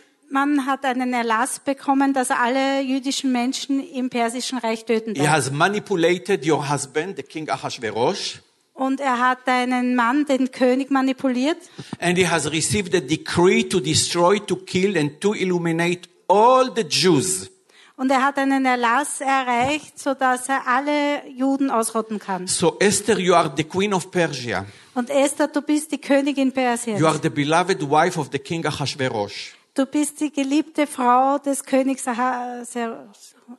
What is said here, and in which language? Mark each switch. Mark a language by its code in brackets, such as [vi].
[de] Man hat einen Erlass bekommen, dass er alle jüdischen Menschen im Persischen Reich töten darf. [en] He has manipulated your husband, the King Ahasuerus. [de] Und er hat deinen Mann, den König, manipuliert. [en] And he has received a decree to destroy, to kill and to illuminate all the Jews. [de] Und er hat einen Erlass erreicht, so dass er alle Juden ausrotten kann. [en] So Esther, you are the queen of Persia. [de] Und Esther, du bist die Königin Persiens. [en] You are the beloved wife of the King Ahasuerus. [de] Du bist die geliebte Frau des Königs Ahasuerus.